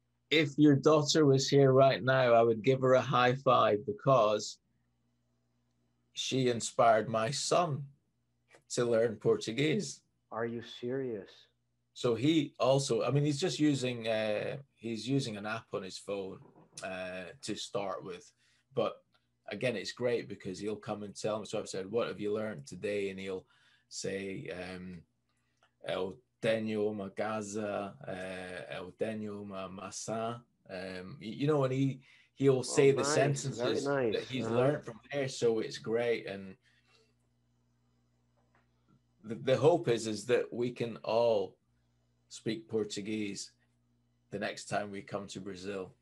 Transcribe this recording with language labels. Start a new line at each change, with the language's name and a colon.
English: If your daughter was here right now, I would give her a high five, because she inspired my son to learn Portuguese. Are you serious? So he also, I mean, he's just using an app on his phone to start with. But again, it's great because he'll come and tell me. So I've said, "What have you learned today?" And he'll say,
Portuguese: "El tenho uma casa, el tenho uma maçã."
English: You know, and he'll say the sentences that he's learned from there. So it's great. And the hope is that we can all speak Portuguese the next time we come to Brazil.